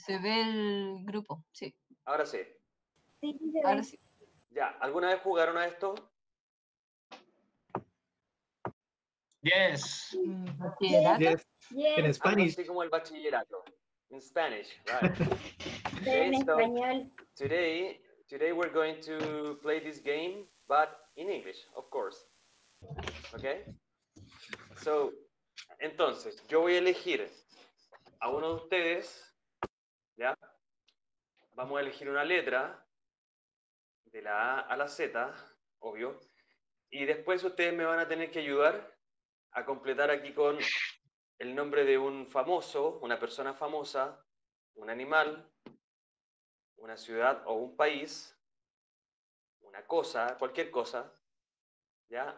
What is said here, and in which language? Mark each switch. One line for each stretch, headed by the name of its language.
Spanish: Se ve el grupo, sí. Ahora sí. Sí, ahora sí. Ya, ¿alguna vez jugaron a esto?
English: Yes. Yes.
Spanish: En español. Así como el bachillerato.
English: In Spanish, right.
Spanish: Okay, en español.
English: Today we're going to play this game, but in English, of course. Okay?
Spanish: So, entonces, yo voy a elegir a uno de ustedes, ¿ya? Vamos a elegir una letra de la A a la Z, obvio. Y después ustedes me van a tener que ayudar a completar aquí con el nombre de un famoso, una persona famosa, un animal, una ciudad o un país, una cosa, cualquier cosa, ¿ya?